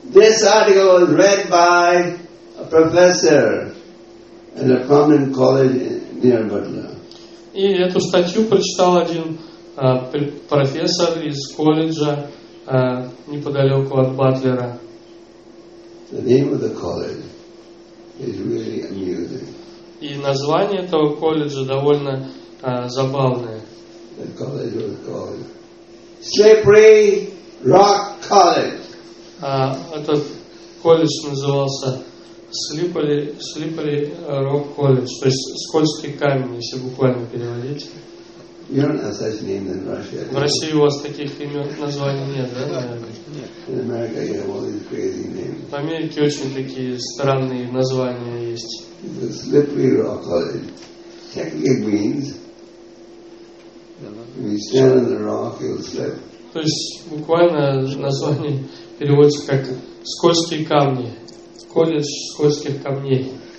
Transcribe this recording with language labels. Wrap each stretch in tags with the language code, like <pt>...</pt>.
<en>This article was read by a professor at a prominent college near Butler.</en> <ru>И эту статью прочитал один профессор из колледжа неподалеку от Батлера.</ru> <en>The name of the college is really amusing.</en> <ru>И название этого колледжа довольно забавное.</ru> <en>The college was called Slippery Rock College.</en> <ru>Этот колледж назывался Slippery Rock College, то есть скользкий камень, если буквально переводить.</ru> <en>You don't have such names in Russia.</en> <ru>В России у вас таких имен названий нет, да?</ru> <en>In America you have all these crazy names.</en> <ru>В Америке очень такие странные названия есть.</ru> <en>The Slippery Rock College. Technically means if you stand on the rock, you'll slip.</en> <ru>То есть буквально название переводится как скользкие камни. Колледж скользких камней.</ru>